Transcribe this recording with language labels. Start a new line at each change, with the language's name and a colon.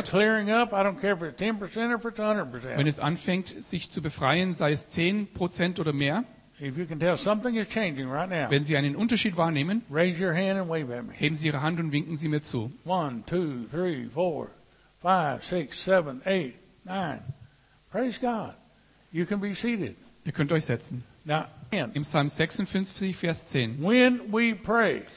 English: It's clearing up, I don't care if it's 10% or if it's 100%.
German: Wenn es anfängt, sich zu befreien, sei es 10% oder mehr.
English: If you can tell something is changing right now.
German: Wenn Sie einen Unterschied wahrnehmen,
English: raise your hand and wave at me.
German: Heben Sie Ihre Hand und winken Sie mir zu.
English: 1, 2, 3, 4, 5, 6, 7, 8, 9. Praise God. You can be seated.
German: Ihr könnt euch setzen.
English: Now,
German: im Psalm 56, Vers 10.
English: When we pray,